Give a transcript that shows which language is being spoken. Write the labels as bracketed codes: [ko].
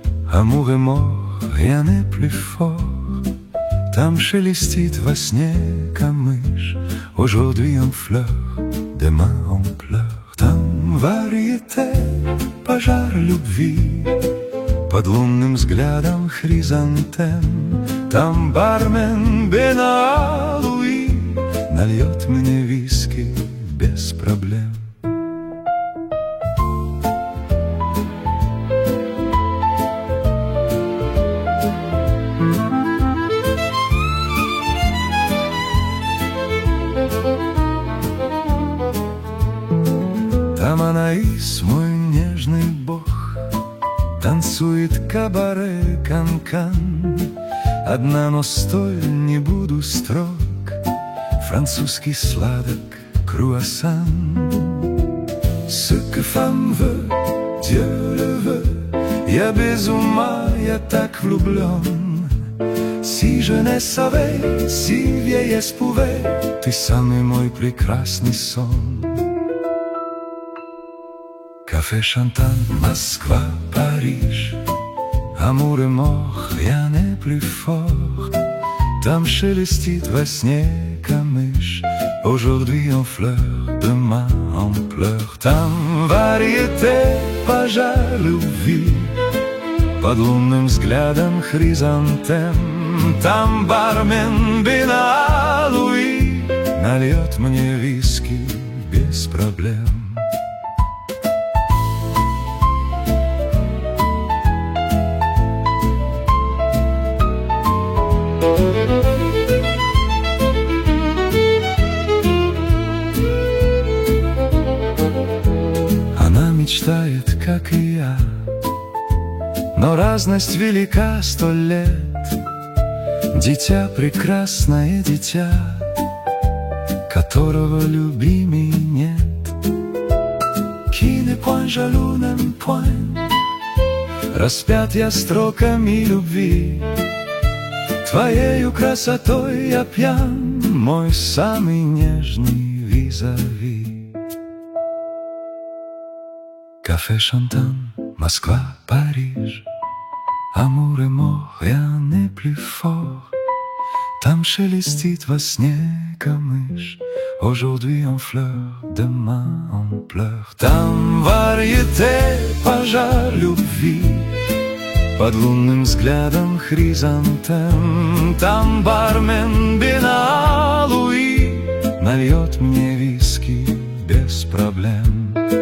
[fr] Amour et mort, rien n'est plus fort. [ru] Там шелестит во сне камыш. [fr] Aujourd'hui en fleurs, demain en pleurs. [ru] Там variété, пожар любви. Под лунным взглядом хризантем. Там бармен Бен-Алуи нальет мне виски без проблем. Там Анаис, мой нежный бог, танцует кабаре кан-кан. Одна, но стоя не буду строг, французский сладок круассан. [fr] Ce que femme veut, Dieu le veut, [ru] я без ума, я так влюблен. [fr] Si je ne savais, si vieillesse pouvait, [ru] ты самый мой прекрасный сон. Café Chantant, Москва, Париж. [fr] Amour et mort, rien n'est plus fort. [ru] Там шелестит во сне камыш. [fr] Aujourd'hui en fleurs, demain en pleurs. [ru] Там variété, пожар любви. Под лунным взглядом хризантем. Там бармен Бен-Алуи нальет мне виски без проблем. Мечтает, как и я, но разность велика сто лет. Дитя, прекрасное дитя, которого любимей нет. [fr] Qui ne point jaloux ne point, [ru] распят я строками любви. Твоею красотой я пьян, мой самый нежный визави. Café Chantant, Москва, Париж. [fr] Amour et mort, rien n'est plus fort. [ru] Там шелестит во сне камыш. [fr] Aujourd'hui en fleurs, demain en pleurs. [ru] Там variété, пожар любви. Под лунным взглядом хризантем. Там бармен Бен-Алуи нальет мне виски без проблем.